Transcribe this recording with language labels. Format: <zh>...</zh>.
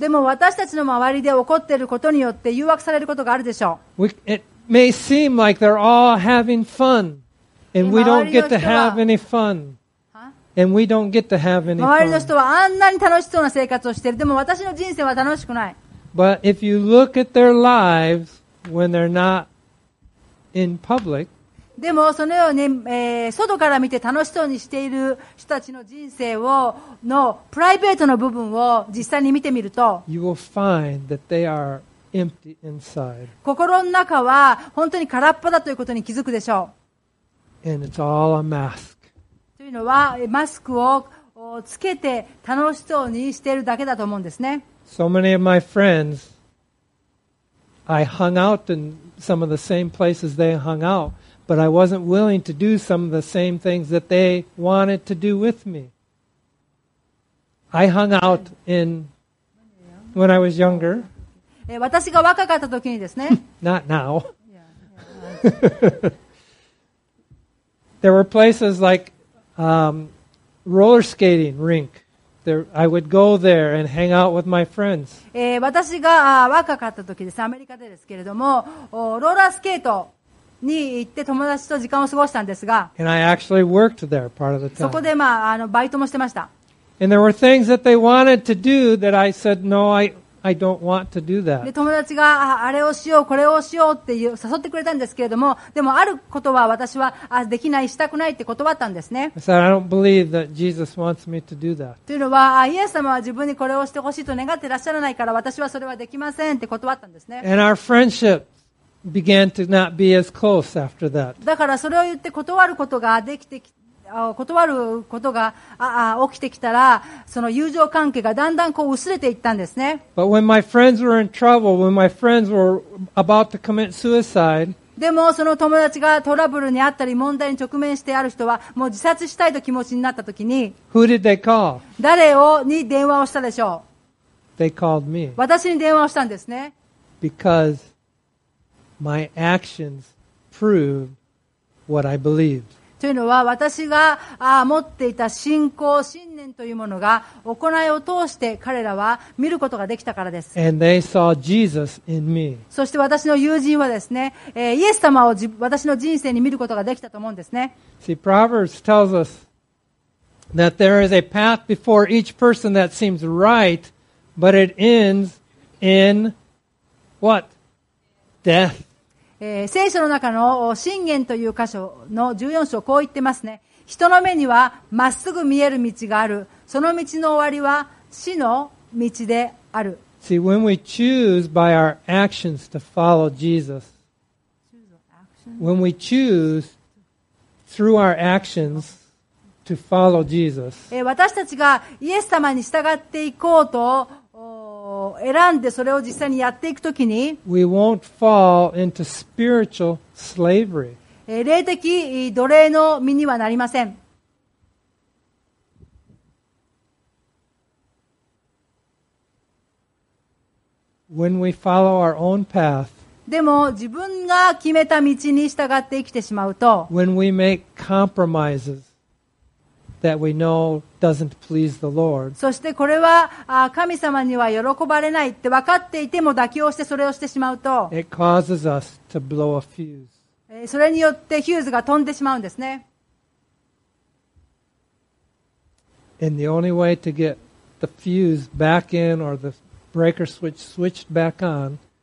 <ja>でも私たちの周りで起こっていることによって誘惑されることがあるでしょう。</ja> <en>It may seem like they're all having fun, and we don't get to have any fun. And we don't get to have any fun.</en> <ja>周りの人はあんなに楽しそうな生活をしている。でも私の人生は楽しくない。</ja> <en>But if you look at their lives when they're not in public,</en> <ja>でもそのように、外から見て楽しそうにしている人たちの人生をのプライベートの部分を実際に見てみると、</ja> <en>you will find that they are empty inside.</en> <ja>心の中は本当に空っぽだということに気づくでしょう。</ja> <en>And it's all a mask.</en> <ja>というのはマスクをつけて楽しそうにしているだけだと思うんですね。</ja> <en>So many of my friends, I hung out in some of the same places they hung out, but I wasn't willing to do some of the same things that they wanted to do with me. I hung out in when I was younger.</en> <ja>私が若かった時にですね。</ja> <en>Not now. There were places like roller skating rink. I would go there and hang out with my friends.</en> <ja>私が若かった時です。アメリカでですけれども、ローラースケートに行って友達と時間を過ごしたんですが、</ja> <en>and I actually worked there part of the time.</en> <ja>そこで、まあ、バイトもしてました。</ja> <en>And there were things that they wanted to do that I said, no, I, I don't want to do that.</en> <ja>で、友達があれをしよう、これをしようっていう誘ってくれたんですけれども、でもあることは私はできない、したくないって断ったんですね。</ja> <en>I said, I don't believe that Jesus wants me to do that.</en> <ja>というのは、イエス様は自分にこれをしてほしいと願ってらっしゃらないから、私はそれはできませんって断ったんですね。</ja> <en>And our friendship began to not be as close after that.</en> <ja>だからそれを言って断ることができてきて、断ることが起きてきたら、その友情関係がだんだんこう薄れていったんですね。</ja> <en>But when my friends were in trouble, when my friends were about to commit suicide,</en> <ja>でもその友達がトラブルにあったり問題に直面してある人はもう自殺したいと気持ちになったときに、</ja> <en>Who did they call?</en> <ja>誰をに電話をしたでしょう。</ja> <en>They called me.</en> <ja>私に電話をしたんですね。</ja> <en>Because my actions proved what I believed.</en> <ja>というのは私が持っていた信仰信念というものが行いを通して彼らは見ることができたからです。</ja> <en>And they saw Jesus in me.</en> <ja>そして私の友人はですね、イエス様を私の人生に見ることができたと思うんですね。</ja> <en>See, Proverbs tells us that there is a path before each person that seems right, but it ends in what? Death.</en> <ja>聖書の中の箴言という箇所の14章をこう言ってますね。人の目にはまっすぐ見える道がある、その道の終わりは死の道である。</ja> <en>See, when we choose by our actions to follow Jesus, when we choose through our actions to follow Jesus,</en> <ja>私たちがイエス様に従っていこうと選んでそれを実際にやっていくときに、</ja> <en>We won't fall into spiritual slavery.</en> <ja>霊的奴隷の身にはなりません。</ja> <en>When we follow our own path,</en> <ja>でも自分が決めた道に従って生きてしまうと、</ja> <en>When we make compromises that we knowDoesn't please the Lord.</en> <ja>そしてこれは神様には喜ばれないって分かっていても妥協してそれをしてしまうと、</ja> <en>It causes us to blow a fuse.</en> <ja>それによってヒューズが飛んでしまうんですね。</ja> <en>And the only way to get the fuse back in or the breaker switch switched back on,</en>